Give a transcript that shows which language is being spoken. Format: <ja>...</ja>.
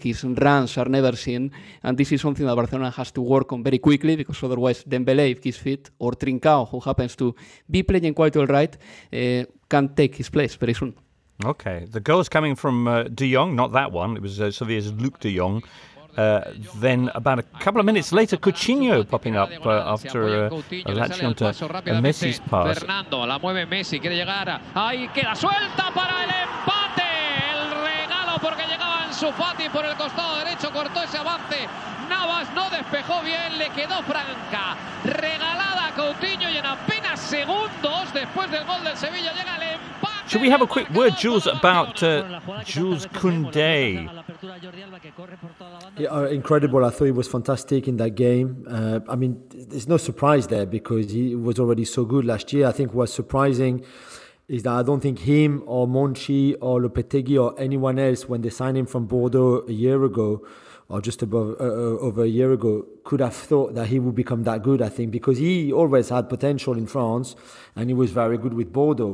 <en>His runs are never seen, and this is something that Barcelona has to work on very quickly, because otherwise Dembélé, if he's fit, or Trincao, who happens to be playing quite all right, can take his place very soon. Okay, the goal is coming from De Jong, not that one. It was Sevilla's Luke De Jong. Then about a couple of minutes later, Coutinho popping up after a latch onto Messi's pass.</en> <es>Fernando la mueve Messi, quiere llegar. Ahí queda suelta para el empate. El regalo porque llegaba Ansu Fati por el costado derecho, cortó ese avance. Navas no despejó bien, le quedó franca. Regalada a Coutinho y en apenas segundos después del gol del Sevilla llega el empate.</es> <en>Should we have a quick word, Jules, about Jules Koundé? Yeah, incredible. I thought he was fantastic in that game. I mean, there's no surprise there, because he was already so good last year. I think what's surprising is that I don't think him or Monchi or Lopetegui or anyone else, when they signed him from Bordeaux a year ago, or just above over a year ago, could have thought that he would become that good, I think, because he always had potential in France and he was very good with Bordeaux.</en>